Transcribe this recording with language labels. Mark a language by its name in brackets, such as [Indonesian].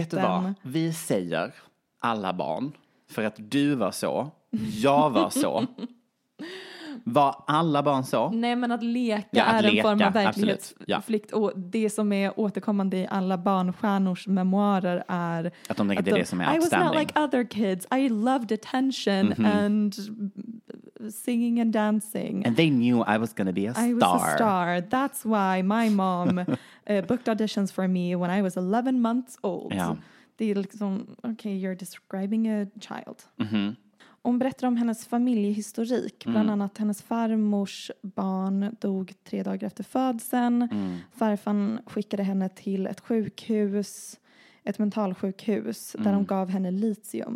[Swedish] Vet du vad? Vi säger alla barn. För att du var så. Jag var så. Var alla barn så? Nej, men att leka är en form av verklighetsflykt. Och det som är återkommande i alla barnstjärnors memoarer är att de tänker att det är det som är [English] I was not like other kids. I loved attention and singing and dancing. And they knew I was going to be a star. I was a star. That's why my mom booked auditions for me when I was 11 months old. Yeah. [Swedish] Det är liksom, [English] okay, you're describing a child. Mm-hmm. [Swedish] Hon berättar om hennes familjehistorik. Mm. Bland annat hennes farmors barn dog 3 dagar efter födseln. Mm. Farfan skickade henne till ett sjukhus. Ett mentalsjukhus där de gav henne litium.